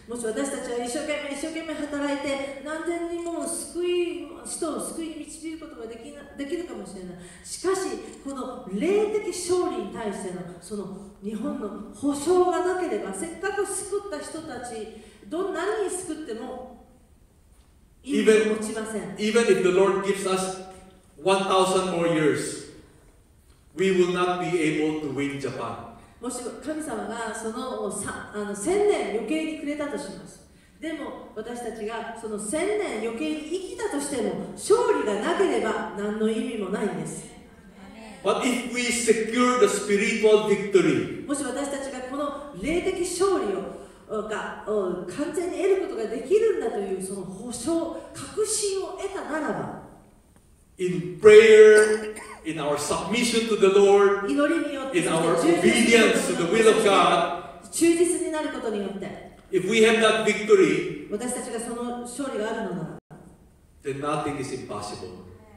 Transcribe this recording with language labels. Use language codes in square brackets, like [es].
[ja] もし私たちは一生懸命働いて何千人も人を救いに導くことができるかもしれない。しかしこの霊的勝利に対してのその日本の保証がなければ、せっかく救った人たち何に救っても意味を持ちません。 [en] even if the Lord gives us 1000 more years, we will not be able to win Japan. [ja] もし神様がその1000年余計にくれたとします。でも私たちがその1000年余計に生きたとしても勝利がなければ何の意味もないんです。 [en] But if we secure the spiritual victory, [ja] もし私たちがこの霊的勝利を完全に得ることができるんだというその保証、確信を得たならば、 [en] In prayer, in our submission to the Lord, in our obedience to the will of God, if we have that victory, then nothing is impossible.